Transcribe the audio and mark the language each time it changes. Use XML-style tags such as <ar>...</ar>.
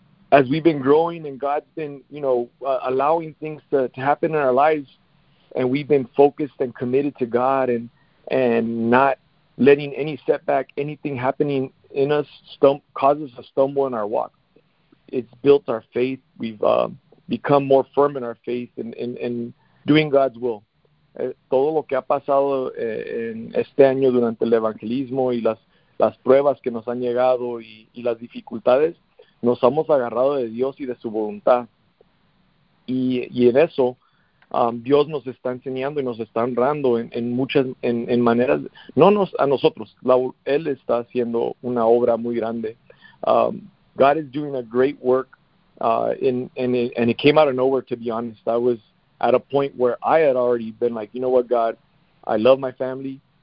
<en>been growing and God's been, you know, allowing things to happen in our lives, and we've been focused and committed to God and not letting any setback, anything happening in us causes a stumble in our walk. It's built our faith. We've become more firm in our faith and doing God's will.</en> <es>Todo lo que ha pasado en este año durante el evangelismo y las pruebas que nos han llegado y las dificultades, nos hemos agarrado de Dios y de su voluntad. Y en eso, Dios nos está enseñando y nos está honrando en muchas maneras. Él está haciendo una obra muy grande.</es> <en>God is doing a great work, and it came out of nowhere, to be honest. I was at a point where I had already been like, you know what, God, I love my family.</en>